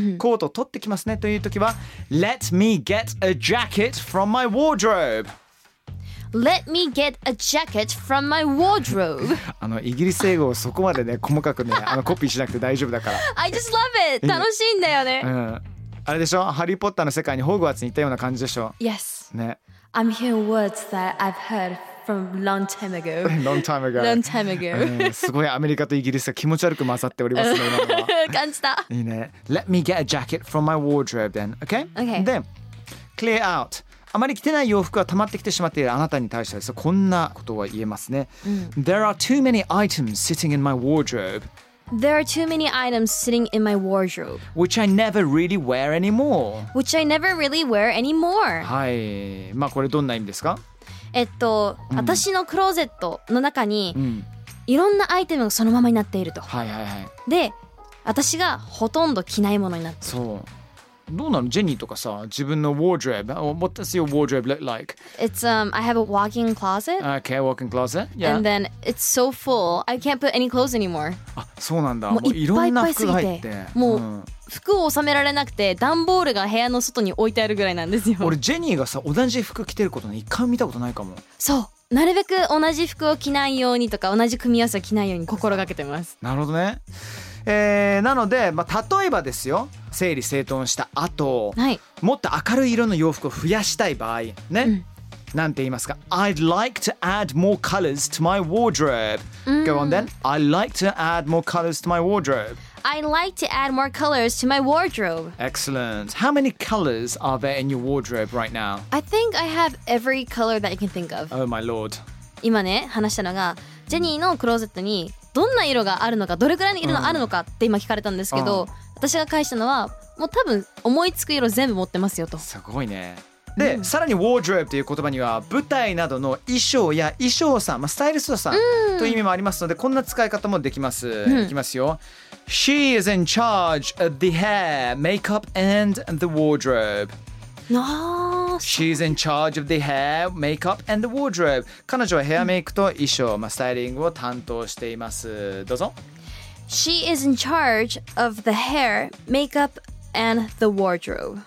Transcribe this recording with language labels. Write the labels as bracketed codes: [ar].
[ja] コートを取ってきますねという時は、 [en] Let me get a jacket from my wardrobe。 Let me get a jacket from my wardrobe. [ja] あのイギリス英語をそこまでね細かくねあのコピーしなくて大丈夫だから。 [en] I just love it. [ja] 楽しいんだよね。うん、あれでしょ？ハリー・ポッターの世界にホグワーツに行ったような感じでしょ [en] ？Yes. [ja] ね。 [en] I'm hearing words that I've heard from long time ago. Long time ago. Long time ago. 、 [ja] すごいアメリカとイギリスが気持ち悪く混ざっておりますね。感じた。いいね。 [en] Let me get a jacket from my wardrobe then. Okay. Okay. Then clear out. [ja] あまり着てない洋服が溜まってきてしまっているあなたに対してはですこんなことは言えますね、 [en] There are too many items sitting in my wardrobe. There are too many items sitting in my wardrobe. Which I never really wear anymore. Which I never really wear anymore. [ja] はい、まあこれどんな意味ですか？私のクローゼットの中に、いろんなアイテムがそのままになっていると。はいはいはい。で、私がほとんど着ないものになっている。そう。どうなのジェニーとかさ自分のウォードローブ [en] What does your wardrobe look like? It's, I have a walk-in closet. Okay, walk-in closet. Yeah. And then it's so full, I can't put any clothes anymore. [ja] あ、そうなんだ。もういろんな服入って。いっぱいすぎて。もう服を収められなくて、段ボールが部屋の外に置いてあるぐらいなんですよ。俺ジェニーがさ同じ服着てることね一回見たことないかも。そう。なるべく同じ服を着ないようにとか同じ組み合わせを着ないように心がけてます。なるほどね。なので、まあ、例えばですよ整理整頓した後、はい、もっと明るい色の洋服を増やしたい場合ね、なんて言いますか [en] I'd like to add more colors to my wardrobe、Go on then I'd like to add more colors to my wardrobe I'd like to add more colors to my wardrobe Excellent How many colors are there in your wardrobe right now? I think I have every color that you can think of Oh my lord [ja] 今ね話したのがジェニーのクローゼットにどんな色があるのかどれくらいの色があるのかって今聞かれたんですけど、私が返したのはもう多分思いつく色全部持ってますよとすごいねで、さらにウォードローブという言葉には舞台などの衣装や衣装さん、まあ、スタイリストさん、という意味もありますのでこんな使い方もできます、いきますよ [en] She is in charge of the hair, makeup and the wardrobe No. She's in charge of the hair, makeup, and the wardrobe. [ja] 彼女はヘアメイクと衣装、まあ、スタイリングを担当しています。どうぞ。 [en] She is in charge of the hair, makeup, and the wardrobe.